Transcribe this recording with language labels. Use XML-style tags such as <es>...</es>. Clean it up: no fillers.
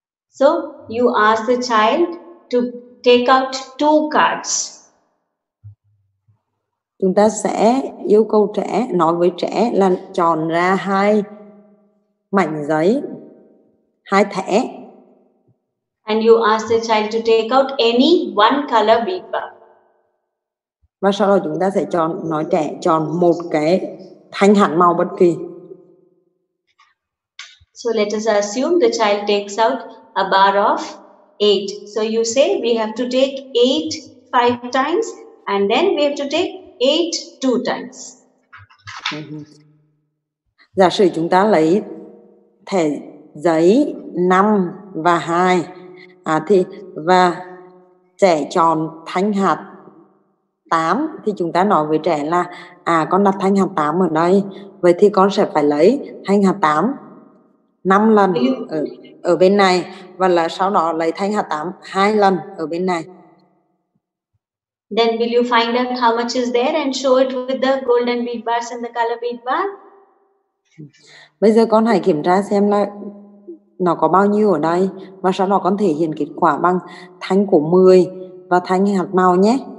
<en>So you ask the child to take out two cards.</en> <vi>Chúng ta sẽ yêu cầu trẻ, nói với trẻ là chọn ra hai mảnh giấy, hai thẻ.</vi> <en>And you ask the child to take out any one color paper.</en> <vi>Và sau đó chúng ta sẽ chọn, nói trẻ chọn một cái thanh hạt màu bất kỳ.</vi> <en>So let us assume the child takes out a bar of 8. So you say we have to take 8 5 times and then we have to take 8 2 times.</en> <vi>Giả sử chúng ta lấy thẻ giấy 5 và 2 thì và trẻ chọn thanh hạt 8 thì chúng ta nói với trẻ là con đặt thanh hạt 8 ở đây. Vậy thì con sẽ phải lấy thanh hạt 8 5 lần ở bên này và là sau đó lấy thanh hạt 8 2 lần ở bên này.</vi> <en>Then will you find out how much is there and show it with the golden bead bars and the color bead bar?</en> <vi>Bây giờ con hãy kiểm tra xem là nó có bao nhiêu ở đây và sau đó con thể hiện kết quả bằng thanh của 10 và thanh hạt màu nhé.</vi>